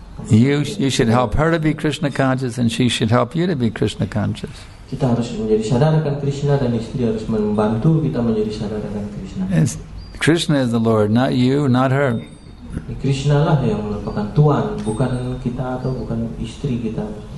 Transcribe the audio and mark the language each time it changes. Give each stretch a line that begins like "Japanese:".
English: You should help her to be Krishna conscious, and she should help you to be Krishna conscious.
Indonesian: Kita harus menjadi sadar akan Krishna dan istri harus membantu kita menjadi sadar akan Krishna.
English: Krishna is the Lord, not you, not her.
Indonesian: Krishna lah yang merupakan Tuhan, bukan kita atau bukan istri kita.